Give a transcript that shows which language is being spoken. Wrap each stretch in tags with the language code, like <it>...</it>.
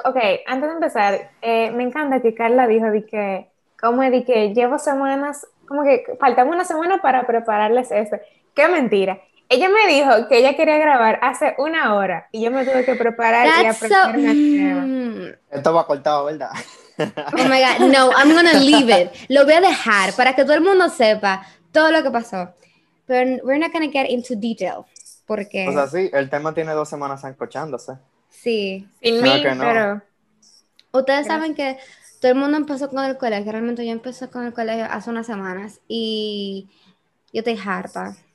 <es>Ok, antes de empezar, me encanta que Carla dijo de que, como de que llevo semanas, como que faltaba una semana para prepararles eso. ¡Qué mentira! Ella me dijo que ella quería grabar hace una hora y yo me tuve que preparar</es> <en>That's</en> <es>y aprender</es> <en>so...</en> <es>Esto va cortado, ¿verdad?</es> <en>Oh my God, no, I'm gonna leave it.</en> <es>Lo voy a dejar para que todo el mundo sepa todo lo que pasó. Pero</es> <en>we're not gonna get into detail</en> <es>porque... O sea, sí, el tema tiene 2 semanas encochándose. Sí. Sin mí, no. Pero... Ustedes Gracias. Saben que todo el mundo empezó con el colegio. Realmente yo empecé con el colegio hace unas semanas y yo estoy harta.</es>